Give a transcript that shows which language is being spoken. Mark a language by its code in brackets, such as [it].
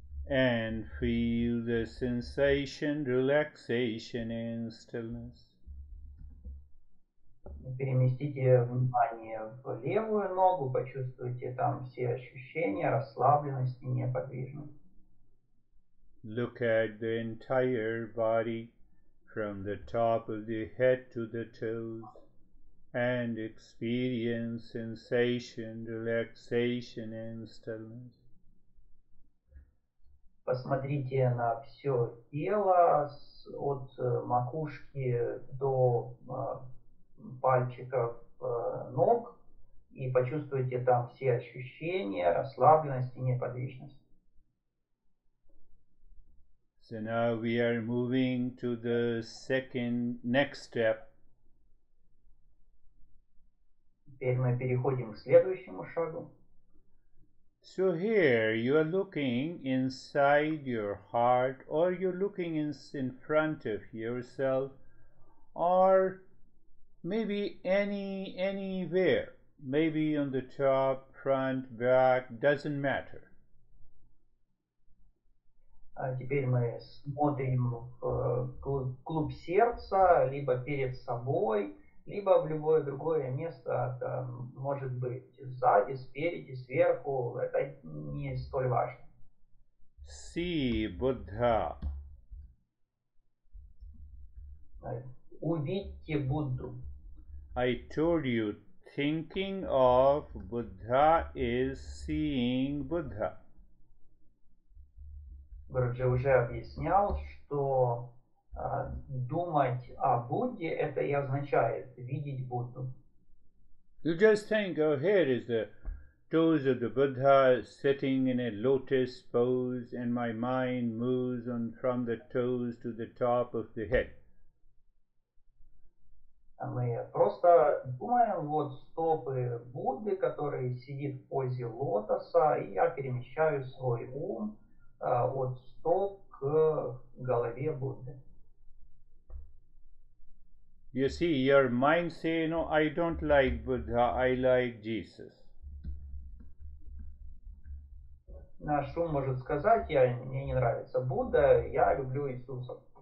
[en] And feel the sensation, relaxation, and stillness. [ru] Переместите внимание в левую ногу, почувствуйте там все ощущения расслабленности, неподвижности. [en] Look at the entire body from the top of the head to the toes and experience sensation, relaxation, and stillness. [ru] Посмотрите на все тело от макушки до пальчиков ног и почувствуйте там все ощущения расслабленности и неподвижности. [en] So now we are moving to the second next step. [ru] Теперь мы переходим к следующему шагу. [en] So here you are looking inside your heart, or you're looking in front of yourself, or maybe anywhere, maybe on the top, front, back, doesn't matter. [ru] Теперь мы смотрим в клуб сердца, либо перед собой, либо в любое другое место, там, может быть, сзади, спереди, сверху, это не столь важно. [en] Си, Будда. [ru] Увидьте Будду. [en] I told you, thinking of Buddha is seeing Buddha. [ru] Гуруджи уже объяснял, что думать о Будде это и означает видеть Будду. [en] You just think, oh, here is the toes of the Buddha sitting in a lotus pose, and my mind moves on from the toes to the top of the head. [ru] Мы просто думаем, вот стопы Будды, который сидит в позе лотоса, и я перемещаю свой ум от стоп к голове Будды. [en] You see, your mind say, no, I don't like Buddha, I like Jesus. [ru] Наш ум может сказать, мне не нравится Будда, я люблю Иисуса.